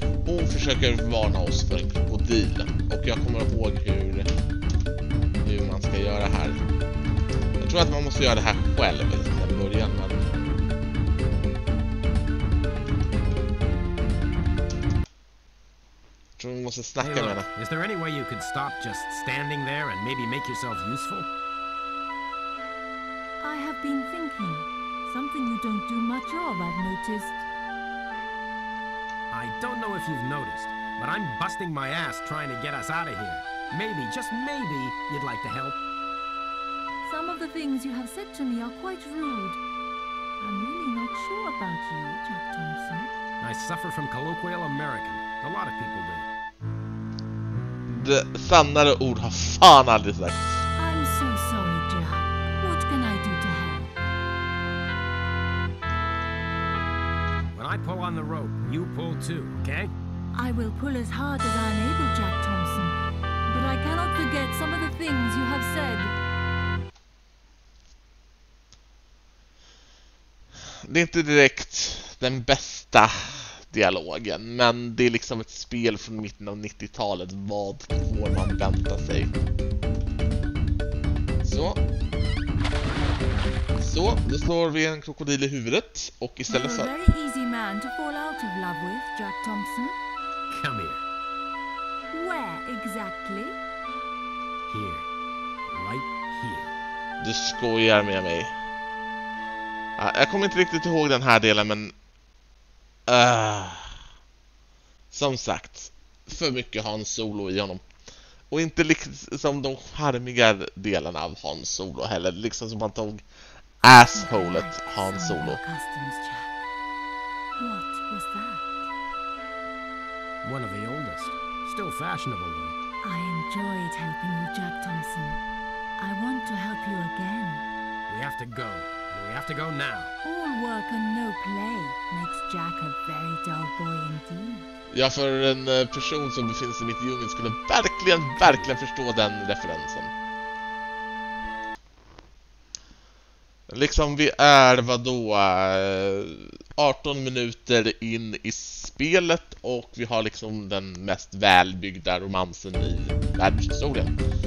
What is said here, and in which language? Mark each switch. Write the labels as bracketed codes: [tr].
[sv] Hon försöker varna oss för en krokodil. Och jag kommer ihåg hur man ska göra här. Jag tror att man måste göra det här själv i början, men... Jag tror att man måste snacka med henne. [en] Is there any way you could stop just standing there and maybe make yourself useful? I have been thinking. Something you don't do much of, I've noticed. I don't know if you've noticed, but I'm busting my ass trying to get us out of here. Maybe, just maybe, you'd like to help. Some of the things you have said to me are quite rude. I'm really not sure about you, Jack Thompson. I suffer from colloquial American. A lot of people do. [sv] Det sannare ord har fan aldrig sagt. [en] I'm so sorry, Jack. What can I do to help? When I pull on the rope, you pull too, okay? I will pull as hard as I'm able, Jack Thompson. But I cannot forget some of the things you have said. [sv] Det är inte direkt den bästa dialogen, men det är liksom ett spel från mitten av 90-talet. Vad får man vänta sig? Så, då slår vi en krokodil i huvudet och istället för... [en] You're a very easy man to fall out of love with, Jack Thompson. Come here. Where exactly? Here. Right here. [sv] Du skojar med mig. Jag kommer inte riktigt ihåg den här delen, men som sagt, för mycket Han Solo i honom. Och inte liksom de charmiga delarna av Han Solo heller, liksom som han tog assholet Han Solo. [en] What was that? One of the oldest, still fashionable though. I enjoyed helping you, Jack Thompson. I want to help you again. We have to go. We have to go now. All work and no play makes Jack a very dull boy indeed. [sv] Ja, för en person som befinner sig i mitt djungel skulle verkligen, verkligen förstå den referensen. Liksom, vi är, vadå, 18 minuter in i spelet och vi har liksom den mest välbyggda romansen i världshistorien.